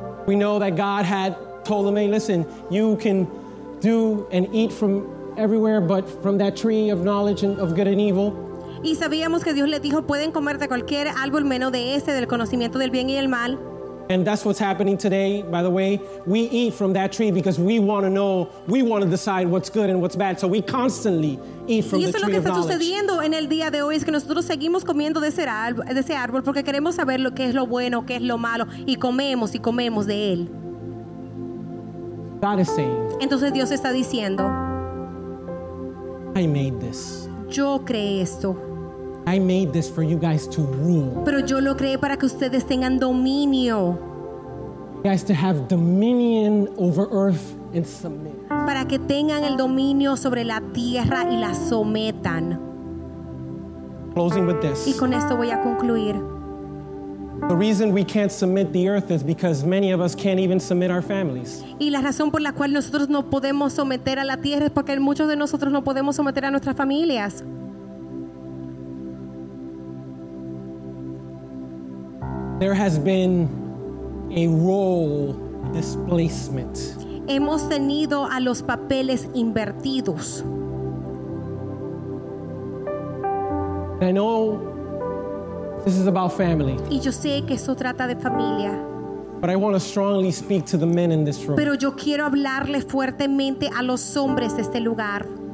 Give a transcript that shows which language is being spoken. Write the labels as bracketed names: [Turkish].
[English] We know that God had told him, hey, listen, you can do and eat from everywhere, but from that tree of knowledge and of good and evil. [Spanish] Y sabíamos que Dios le dijo, pueden comer de cualquier árbol menos de este, del conocimiento del bien y el mal. [English] And that's what's happening today, by the way. We eat from that tree because we want to know, we want to decide what's good and what's bad. So we constantly eat from the tree of knowledge. [Spanish] Y eso es lo que está sucediendo en el día de hoy, es que nosotros seguimos comiendo de ese árbol porque queremos saber lo que es lo bueno, qué es lo malo, y comemos de él. [English] God is saying, [Spanish] entonces Dios está diciendo, [English] I made this. [Spanish] Yo creé esto. [English] I made this for you guys to rule. [Spanish] Pero yo lo creé para que ustedes tengan dominio. [English] You guys to have dominion over earth and submit. [Spanish] Para que tengan el dominio sobre la tierra y la sometan. [English] Closing with this. [Spanish] Y con esto voy a concluir. [English] The reason we can't submit the earth is because many of us can't even submit our families. [Spanish] Y la razón por la cual nosotros no podemos someter a la tierra es porque muchos de nosotros no podemos someter a nuestras familias. [English] There has been a role displacement. [Spanish] Hemos tenido a los papeles invertidos. [English] I know this is about family. [Spanish] Y yo sé que esto trata de familia. [English] But I want to strongly speak to the men in this room. [Spanish] Pero yo quiero hablarle fuertemente a los hombres de este lugar.